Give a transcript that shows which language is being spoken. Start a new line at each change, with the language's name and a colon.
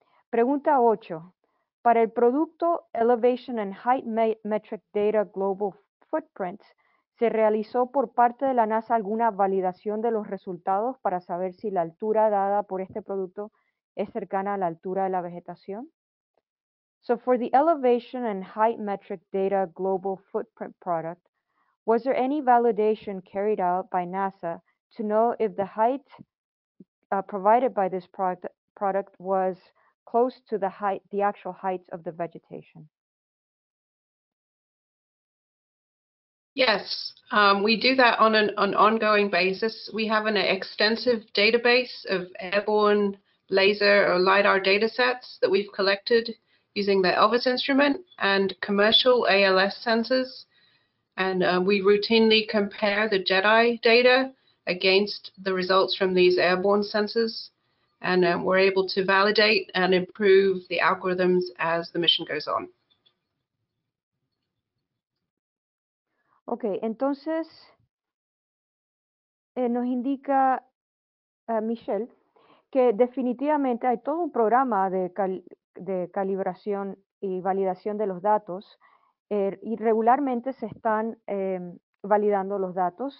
Spanish: Pregunta 8. Para el producto Elevation and Height Metric Data Global Footprints, ¿se realizó por parte de la NASA alguna validación de los resultados para saber si la altura dada por este producto es cercana a la altura de la vegetación?
English: So for the Elevation and Height Metric Data Global Footprint product, was there any validation carried out by NASA to know if the height provided by this product was close to the actual height of the vegetation? Yes, we do that on an ongoing basis. We have an extensive database of airborne laser or LiDAR data sets that we've collected using the ELVIS instrument and commercial ALS sensors. And we routinely compare the JEDI data against the results from these airborne sensors. And we're able to validate and improve the algorithms as the mission goes on.
Spanish: Ok, entonces nos indica Michelle que definitivamente hay todo un programa de calibración y validación de los datos y regularmente se están validando los datos.